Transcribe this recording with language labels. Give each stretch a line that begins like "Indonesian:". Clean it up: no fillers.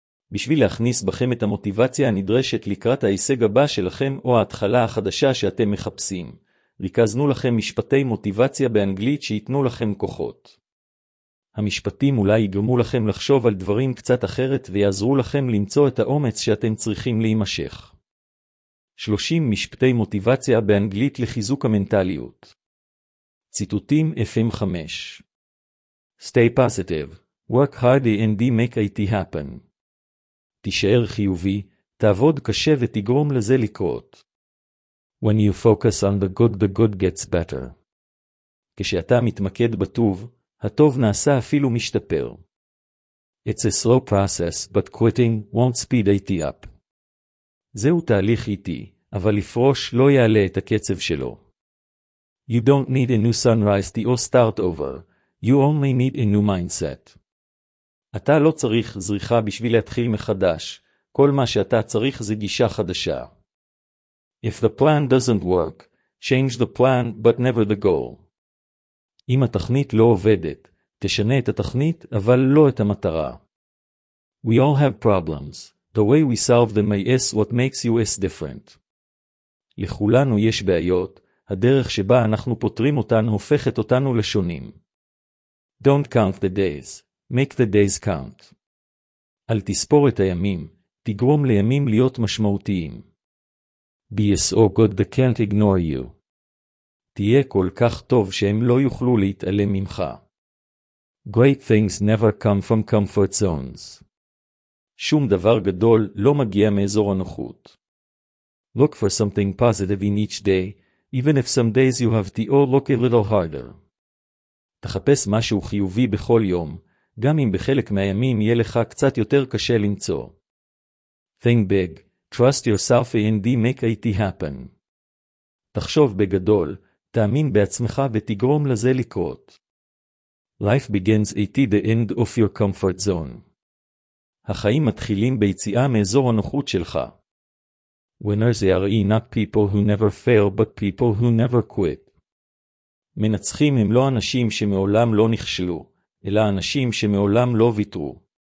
Hebrew: בשביל להכניס בכם את המוטיבציה הנדרשת לקראת ההישג הבא שלכם או ההתחלה החדשה שאתם מחפשים, ריכזנו לכם משפטי מוטיבציה באנגלית שיתנו לכם כוחות. המשפטים אולי יגרמו לכם לחשוב על דברים קצת אחרת ויעזרו לכם למצוא את האומץ שאתם צריכים להימשך. 30 משפטי מוטיבציה באנגלית לחיזוק המנטליות.
English: ציטוטים FM5. Stay positive. Work hard and make it happen.
Hebrew: תישאר חיובי, תעבוד קשה ותגרום לזה לקרות.
English: When you focus on the good gets better.
Hebrew: כשאתה מתמקד בטוב, הטוב נעשה אפילו משתפר.
English: It's a slow process, but quitting won't speed it up.
Hebrew: זהו תהליך איטי, אבל לפרוש לא יעלה את הקצב שלו.
English: You don't need a new sunrise to start over. You only need a new mindset.
Hebrew: אתה לא צריך זריחה בשביל להתחיל מחדש, כל מה שאתה צריך זה גישה חדשה.
English: If the plan doesn't work, change the plan but never the goal.
Hebrew: אם התכנית לא עובדת, תשנה את התכנית אבל לא את המטרה.
English: We all have problems. The way we solve them is what makes us different.
Hebrew: לכולנו יש בעיות, הדרך שבה אנחנו פותרים אותן הופכת אותנו לשונים.
English: Don't count the days. Make the days count.
Hebrew: אל תספור את הימים, תגרום לימים להיות משמעותיים.
English: Be so good they can't ignore you.
Hebrew: תהיה כל כך טוב שהם לא יוכלו להתעלם ממך.
English: Great things never come from comfort zones.
Hebrew: שום דבר גדול לא מגיע מאזור הנוחות.
English: Look for something positive in each day, even if some days you have to look a little harder.
Hebrew: תחפש משהו חיובי בכל יום, גם אם בחלק מהימים יהיה לך קצת יותר קשה למצוא.
English: Think big, trust yourself and make it happen.
Hebrew: תחשוב בגדול, תאמין בעצמך ותגרום לזה לקרות.
English: Life begins at the end of your comfort zone.
Hebrew: החיים מתחילים ביציאה מאזור הנוחות שלך.
English: Winners are not people who never fail but people who never quit.
Hebrew: מנצחים הם לא אנשים שמעולם לא נכשלו, אלא אנשים שמעולם לא ויתרו.